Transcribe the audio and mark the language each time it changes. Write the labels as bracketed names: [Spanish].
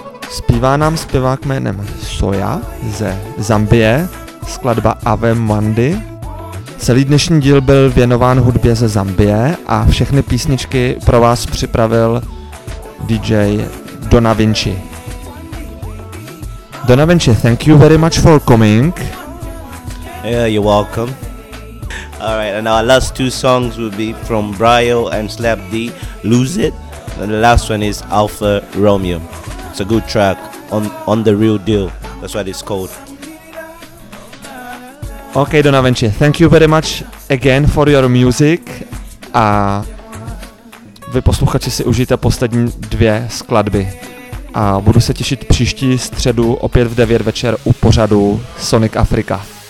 [Czech] Zpívá nám zpěvák jménem Soja ze Zambie, skladba Ave Mandy. Celý dnešní díl byl věnován hudbě ze Zambie a všechny písničky pro vás připravil DJ Dona Vinci. [English] Dona Vinci, thank you very much for coming. Yeah, you're welcome. Alright, and our last two songs will be from Brio and Slap D, Lose It, and the last one is Alfa Romeo. It's a good track. On the real deal. That's what it's called. Okay, Dona Vinci, thank you very much again for your music. [Czech] A vy posluchači si užijte poslední dvě skladby. A budu se těšit příští středu opět v 9 večer u pořadu Sonic Africa.